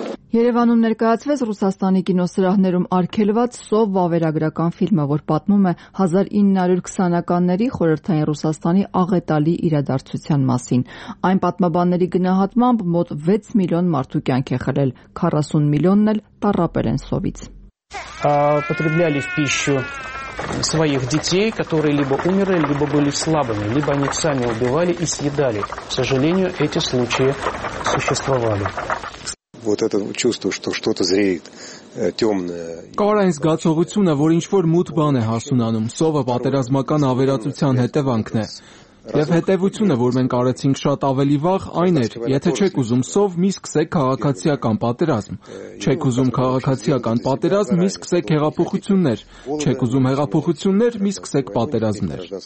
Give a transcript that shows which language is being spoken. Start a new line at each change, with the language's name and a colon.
Armenian: Երևանում ներկայացվեց Ռուսաստանի կինոսրահներում արգելված «Սով» վավերագրական ֆիլմը, որ պատմում է 1920-ականների խորհրդային Ռուսաստանի աղետալի իրադարձության մասին։ Այն պատմաբանների գնահատմամբ մոտ 6 միլիոն մարդու կյանք է խլել, 40 միլիոնն էլ տառապել են Սովից։
Russian: Потребляли в пищу своих детей, которые либо умерли, либо были слабыми, либо они сами убивали и съедали. К сожалению, эти случаи существовали. Вот это чувство, что что-то зреет.
Armenian: Կարային զգացողությունը, որ ինչ-որ մութ բան է հասունանում, սովը պատերազմական ավերածության հետևանքն է։ Եվ հետևությունը, որ մենք արեցինք շատ ավելի վաղ, այն էր, եթե չեք ուզում սով, մի սկսեք քաղաքացիական պատերազմ, չեք ուզում քաղաքացիական պատերազմ, մի սկսեք հեղափոխություններ, չեք ուզում հեղափոխություններ, մի սկսեք պատերազմներ։